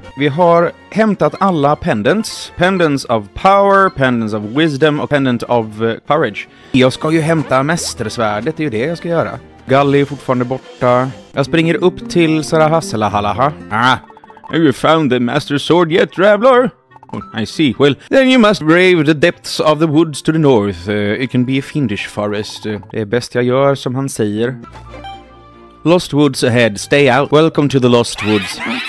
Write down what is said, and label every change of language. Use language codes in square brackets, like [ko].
[sv] Vi har hämtat alla pendants. Pendants of power, pendants of wisdom och pendant of courage. Jag ska ju hämta mästersvärdet, det är ju det jag ska göra. Galli är fortfarande borta. Jag springer upp till Sarahasalahalaha. [en] Ah, have you found the master sword yet, Ravlor? Oh, I see. Well, then you must brave the depths of the woods to the north. It can be a fiendish forest. [sv] Det är bäst jag gör som han säger. [en] Lost woods ahead, stay out. Welcome to the lost woods.